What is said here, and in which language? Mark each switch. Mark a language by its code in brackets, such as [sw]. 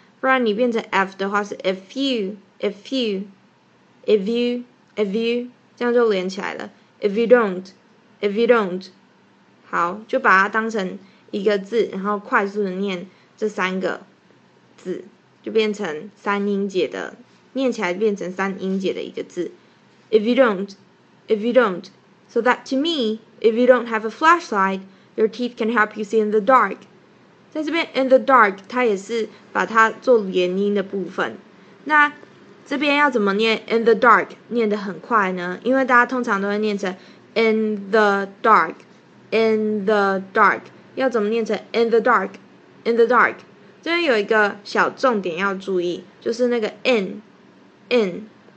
[zh] 不然你变成 F 的话是 if you 这样就连起来了。 if you don't 好，就把它当成一个字，然后快速的念这三个字，就变成三音节的，念起来变成三音节的一个字。 [en] if you don't so that to me, if you don't have a flashlight, your teeth can help you see in the dark. [zh] 在这边 in the dark 它也是把它做连音的部分，那这边要怎么念 in the dark 念得很快呢？因为大家通常都会念成 in the dark 要怎么念成 in the dark 这边有一个小重点要注意，就是那个 in